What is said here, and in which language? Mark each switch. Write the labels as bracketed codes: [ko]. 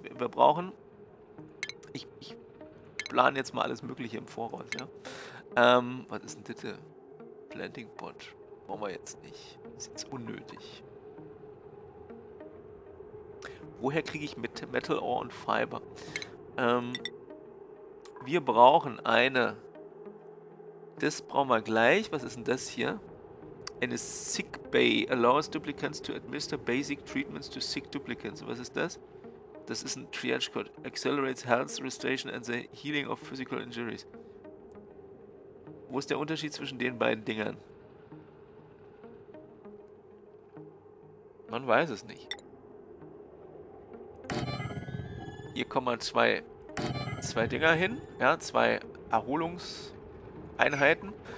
[de] Wir brauchen, ich plane jetzt mal alles Mögliche im Voraus, ja. Was ist denn das? Planting Pot. Brauchen wir jetzt nicht. Ist jetzt unnötig. Woher kriege ich mit Metal Ore und Fiber? Wir brauchen eine. Das brauchen wir gleich. Was ist denn das hier? Eine Sick Bay. [en] Allows duplicants to administer basic treatments to sick duplicants. [de] Was ist das? Das ist ein Triage Code. [en] Accelerates health restoration and the healing of physical injuries. [de] Wo ist der Unterschied zwischen den beiden Dingern? Man weiß es nicht. Hier kommen mal zwei Dinger hin. Ja, zwei Erholungseinheiten.